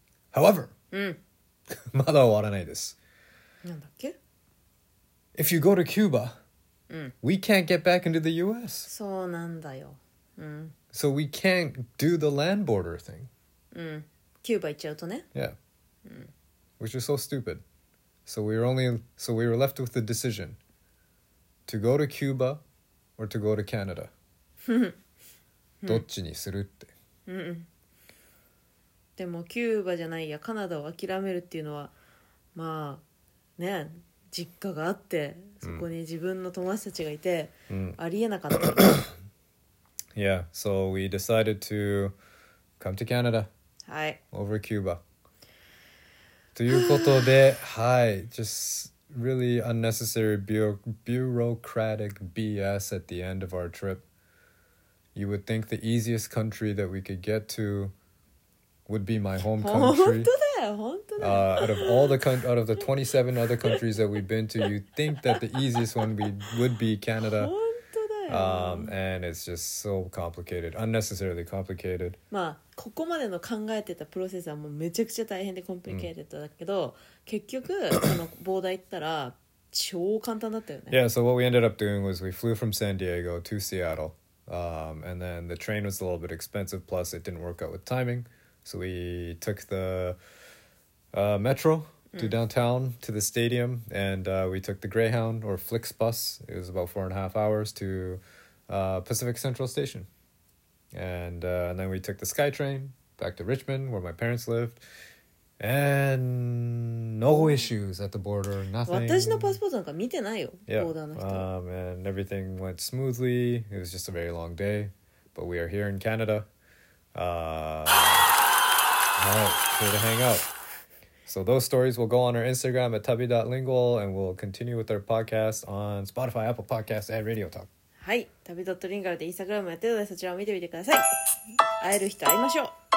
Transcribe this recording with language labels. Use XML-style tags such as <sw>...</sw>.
<en>However、</en> <ja>まだ終わらないです。なんだっけ？</ja> <en>If you go to Cuba、 we can't get back into the US。</en> <ja>そうなんだよ。</ja> <en>So we can't do the land border thing.</en> <ja>Cuba 行っちゃうとね。</ja> <en>Yeah. Which is so stupid. So we were left with the decision to go to Cuba or to go to Canada.</en> <ja>どっちにするって。でもキューバじゃないやカナダを諦めるっていうのはまあね実家があってそこに自分の友達たちがいて、ありえなかった。</ja> <en>Yeah, so we decided to come to Canada.</en> <ja>はい。</ja> <en>Over Cuba.</en> <ja>ということで、はい。</ja> <en>Just really unnecessary bureaucratic BS at the end of our trip. You would think the easiest country that we could get to would be my home country. 本当だよ、本当だよ。 Out of the 27 other countries that we've been to, you'd think that the easiest one would be Canada. And it's just so complicated, unnecessarily complicated.</en> <ja>まあここまでの考えてたプロセスはもうめちゃくちゃ大変でコンプリケーテッドだけど、結局その膨大行ったら超簡単だったよね。</ja> <en>Yeah, so what we ended up doing was we flew from San Diego to Seattle, and then the train was a little bit expensive, plus it didn't work out with timing, so we took the metro to downtown to the stadium, and we took the Greyhound or Flixbus. It was about 4.5 hours to Pacific Central Station, and then we took the SkyTrain back to Richmond, where my parents lived, and no issues at the border, nothing.</en> <ja>私のパスポートなんか見てないよ、 yeah. ボーダーの人。</ja> <en>And everything went smoothly. It was just a very long day, but we are here in Canada. All right, here to hang out. So those stories will go on our Instagram at tabi.lingual, and we'll continue with our podcast on Spotify, Apple Podcasts, and Radio Talk.</en> <ja>はい、tabi.lingual でインスタグラムやってるので、そちらを見てみてください。会える人会いましょう。</ja>